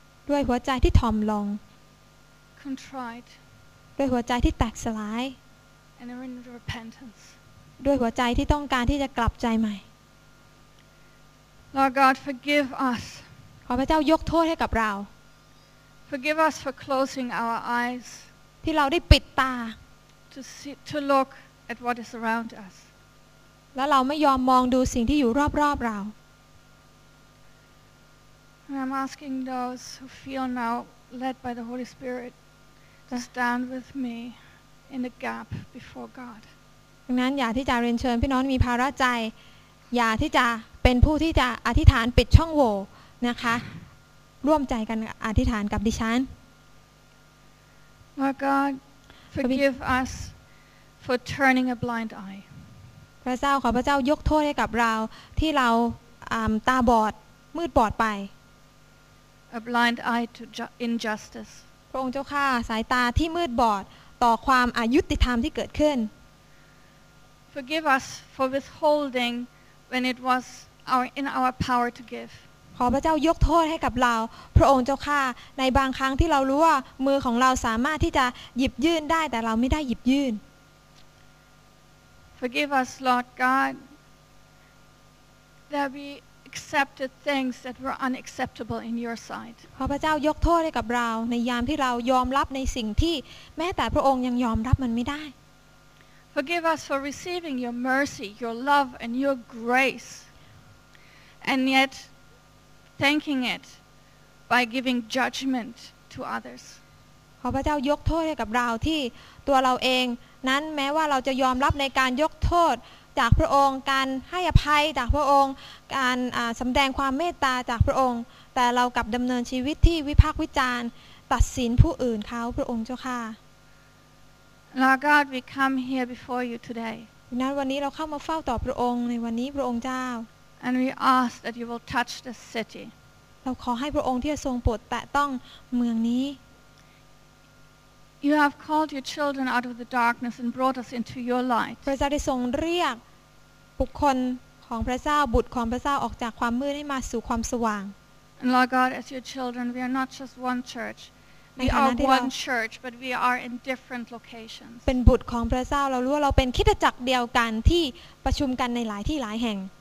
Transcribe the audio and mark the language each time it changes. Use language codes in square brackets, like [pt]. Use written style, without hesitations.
[th] ด้วยหัวใจที่ถ่อมลง [en] Contrite [th] ด้วยหัวใจที่แตกสลาย [en] And in repentance [th] ด้วยหัวใจที่ต้องการที่จะกลับใจใหม่ [en] Lord God, forgive us. [th] ขอพระเจ้ายกโทษให้กับเรา [en] Forgive us for closing our eyes. [th] ที่เราได้ปิดตา [en] To see, to look at what is around us. [th] แล้วเราไม่ยอมมองดูสิ่งที่อยู่รอบๆเรา [en] I'm asking those who feel now led by the Holy Spirit to stand with me in the gap before God. [th] ดังนั้นอยากที่จะเรียนเชิญพี่น้องมีภาระใจอย่าที่จะเป็นผู้ที่จะอธิษฐานปิดช่องโหว่นะคะร่วมใจกันอธิษฐานกับดิฉัน [en] Lord God forgive us for turning a blind eye [th] พระเจ้าขอพระเจ้ายกโทษให้กับเราที่เราตาบอดมืดบอดไป [en] A blind eye to injustice [th] พระองค์เจ้าค่ะสายตาที่มืดบอดต่อความอยุติธรรมที่เกิดขึ้น [en] Forgive us for withholdingwhen it was our in our power to give [th] ขอพระเจ้ายกโทษให้กับเราพระองค์เจ้าค่ะในบางครั้งที่เรารู้ว่ามือของเราสามารถที่จะหยิบยื่นได้แต่เราไม่ได้หยิบยื่น [en] forgive us lord god that we accepted things that were unacceptable in your sight [th] ขอพระเจ้ายกโทษให้กับเราในยามที่เรายอมรับในสิ่งที่แม้แต่พระองค์ยังยอมรับมันไม่ได้ [en] Forgive us for receiving your mercy, your love, and your grace, and yet thanking it by giving judgment to others. [th] ขอพระเจ้ายกโทษให้กับเราที่ตัวเราเองนั้นแม้ว่าเราจะยอมรับในการยกโทษจากพระองค์การให้อภัยจากพระองค์การสำแดงความเมตตาจากพระองค์แต่เรากลับดำเนินชีวิตที่วิพากษ์วิจารณ์ตัดสินผู้อื่นเขาพระองค์เจ้าค่ะ [en] Lord God, we come here before you today. [th] วันนี้เราเข้ามาเฝ้าต่อพระองค์ในวันนี้พระองค์เจ้า [en] And we ask that you will touch the city. [th] เราขอให้พระองค์ที่ทรงโปรดแตะต้องเมืองนี้ [en] You have called your children out of the darkness and brought us into your light. [th] พระเจ้าได้ทรงเรียกบุคคลของพระเจ้าบุตรของพระเจ้าออกจากความมืดให้มาสู่ความสว่าง [en] And Lord God, as your children, we are not just one church. We are one church, but we are in different locations. [th] เป็นบุตรของพระเจ้าเรารู้ว่าเราเป็นคริสตจักรเดียวกันที่ประชุมกันในหลายที่หลายแห่ง